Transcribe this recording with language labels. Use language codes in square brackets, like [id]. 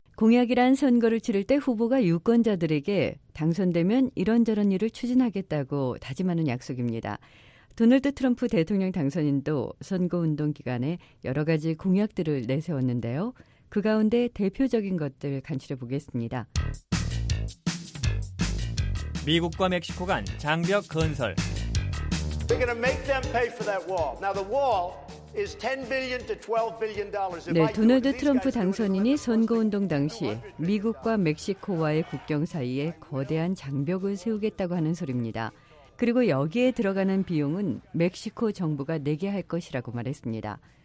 [ko] 공약이란 선거를 치를 때 후보가 유권자들에게 당선되면 이런저런 일을 추진하겠다고 다짐하는 약속입니다. 도널드 트럼프 대통령 당선인도 선거운동 기간에 여러 가지 공약들을 내세웠는데요. 그 가운데 대표적인 것들 간추려 보겠습니다. 미국과 멕시코 간 장벽 건설. [en] We're going to make them pay for that wall. Now the wall is $10 billion to $12 billion. [ko] 네, 도널드 트럼프 당선인이 선거운동 당시 미국과 멕시코와의 국경 사이에 거대한 장벽을 세우겠다고 하는 소리입니다. 그리고 여기에 들어가는 비용은 멕시코 정부가 내게 할 것이라고 말했습니다.